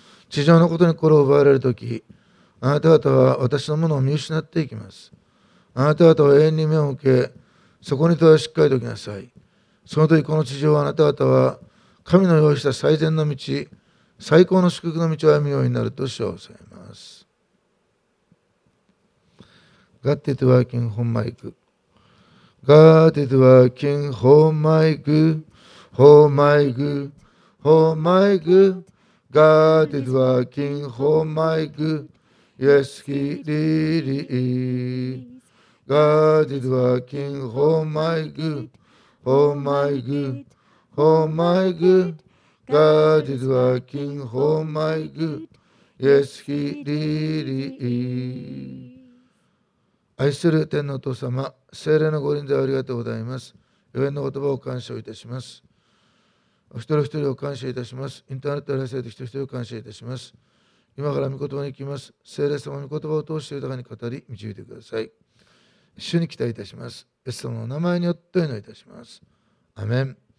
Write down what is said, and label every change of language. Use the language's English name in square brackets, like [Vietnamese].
[Japanese] 地上のことに心を奪われるとき、あなた方は私のものを見失っていきます。あなた方は永遠に目を向け、そこに問いをしっかりときなさい。その時この地上はあなた方は神の用意した最善の道、最高の祝福の道を歩むようになると主は教えます。 [English] God is working for my goodGod is working for my good, for my good, for my good. God is working for my good, yes, he really is. God is working for my good, for my good, for my good. God is working for my good, yes, he really is. [Japanese] 愛する天のお父様、聖霊のご臨在ありがとうございます。予言の言葉を感謝いたします。お一人一人を感謝いたします。インターネットで一人一人を感謝いたします。今から御言葉に行きます。聖霊様、御言葉を通して豊かに語り導いてください。主に期待いたします。イエス様のお名前によってお祈りいたします。アメン。